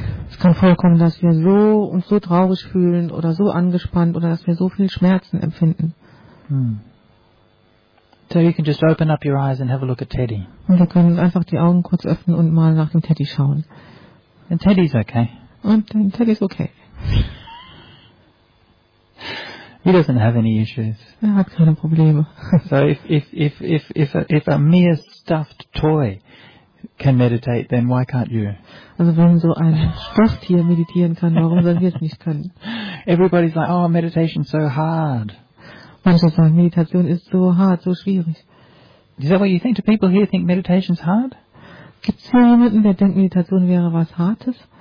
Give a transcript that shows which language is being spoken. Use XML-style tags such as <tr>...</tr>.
<de>Es kann vorkommen, dass wir so uns so traurig fühlen oder so angespannt oder dass wir so viel Schmerzen empfinden.</de> <en>So you can just open up your eyes and have a look at Teddy.</en> <de>Und wir können einfach die Augen kurz öffnen und mal nach dem Teddy schauen.</de> <en>And Teddy's okay.</en> <de>Und dann Teddy's okay.</de> <en>He doesn't have any issues.</en> <de>Er hat keine Probleme.</de> <en>So if a mere stuffed toy can meditate, then why can't you?</en> <de>Also wenn so ein Stofftier meditieren kann, warum soll wir es nicht können?</de> <en>Everybody's like, oh, meditation's so hard.</en> <de>Manche sagen, Meditation ist so hart, so schwierig.</de> <en>Is that what you think? Do people here think meditation's hard?</en> <de>Gibt's hier jemanden, der denkt, Meditation wäre was Hartes?</de>